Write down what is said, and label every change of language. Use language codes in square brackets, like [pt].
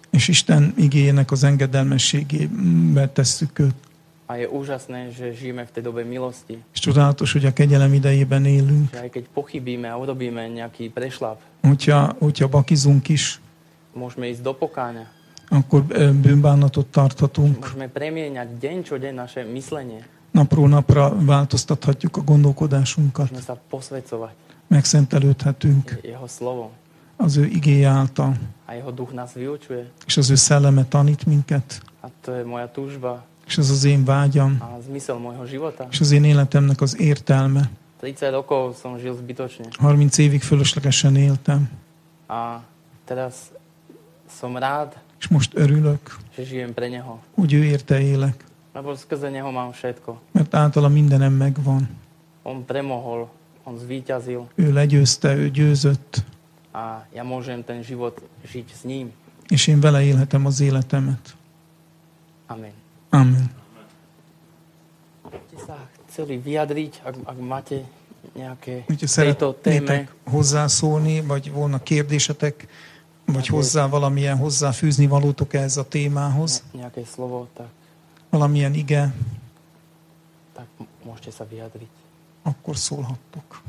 [hu] És Isten igéjének az engedelmességébe tesszük őt. [sk] A je úžasné, že žijeme v tej dobe milosti. [hu] És csodálatos, hogy a kegyelem idejében élünk. [sk] Aj keď pochybíme a urobíme nejaký prešlap. [hu] Hogyha bakizunk is. [sk] Môžeme ísť do pokáňa. [hu] Akkor bűnbánatot tarthatunk. [sk] Môžeme premieňať deň čo deň naše myslenie. [hu] Napról napra változtathatjuk a gondolkodásunkat. [sk] Môžeme sa posvedcovať. [hu] Megszentelődhetünk. [sk] Jeho slovo. [hu] Az ő igéje által. [sk] A jeho duch nás vyučuje. [hu] És az ő szelleme tanít minket. [sk] A to je moja túžba. [hu] És az én vágyam. [sk] A zmysel môjho života. [hu] És az én életemnek az értelme. [sk] 30 rokov som žil zbytočne. [hu] 30 évig fölöslegesen éltem. [sk] A teraz som rád. [hu] És most örülök, [sk] že žijem pre neho. [hu] Hogy ő érte élek. [sk] Lebo skrze neho mám všetko. [hu] Mert általa mindenem megvan. [sk] On premohol, on zvíťazil. [hu] Ő legyőzte, ő győzött. [sk] A ja môžem ten život žiť s ním. [hu] És én vele élhetem az életemet. Amen. Amen. [sk] Ste sa chceli vyjadriť, ak máte nejaké tejto téme. [hu] Hozzászólni, vagy volna kérdésetek, vagy hozzá valamilyen hozzáfűzni valótok ehhez a témához. [sk] Nejaké slovo, tak. [hu] Valamilyen ige. [sk] Tak môžete sa vyjadriť. [hu] Akkor szólhattok.